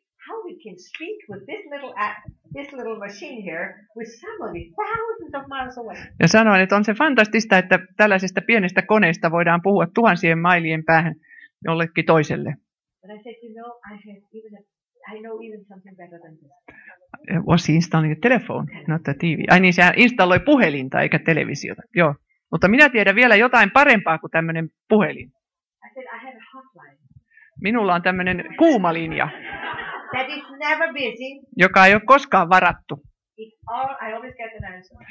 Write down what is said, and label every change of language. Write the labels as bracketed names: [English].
[English] How we can speak with this little machine here with somebody thousands of miles away. [Finnish] Ja sanoin, että on se fantastista, että tällaisesta pienestä koneesta voidaan puhua tuhansien mailien päähän jollekin toiselle. [English] But I said, you know, I know even something better than this. was he installing a telephone, not a TV? [Finnish] Ai niin, sehän installoi puhelinta eikä televisiota. Joo. Mutta minä tiedän vielä jotain parempaa kuin tämmöinen puhelin. [English] I said, I have a hotline. [Finnish] Minulla on tämmöinen kuuma linja, [English] that is never busy. [Finnish] Joka ei ole koskaan varattu. [English] All, I always get an answer.